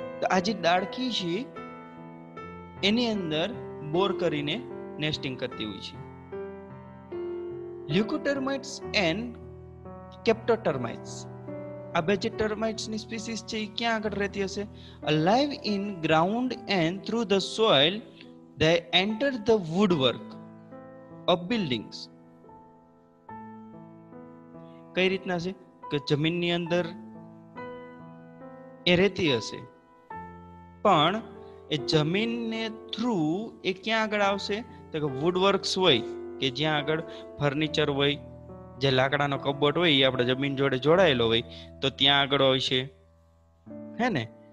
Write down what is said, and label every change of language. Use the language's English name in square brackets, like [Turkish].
[Gujarati] આ જે દાડખી છે એની અંદર બોર કરીને નેસ્ટિંગ કરતી હોય છે. [English] Leucotermites and coptotermites. [Gujarati] આ બે જે ટર્માઇટ્સની સ્પીસીસ છે એ ક્યાં આગળ રહેતી હશે? [English] Alive in ground and through the soil they enter the woodwork of buildings. [Gujarati] કઈ રીતના છે કે જમીનની અંદર એ રહેતી હશે, પણ એ જમીનને થ્રુ એ ક્યાં આગળ આવશે? તો કે વુડવર્ક્સ હોય કે જ્યાં આગળ ફર્નિચર હોય, જે લાકડાનો કબાટ હોય એ આપણે જમીન જોડે જોડાયેલો હોય તો ત્યાં આગળ હોય છે, હે ને?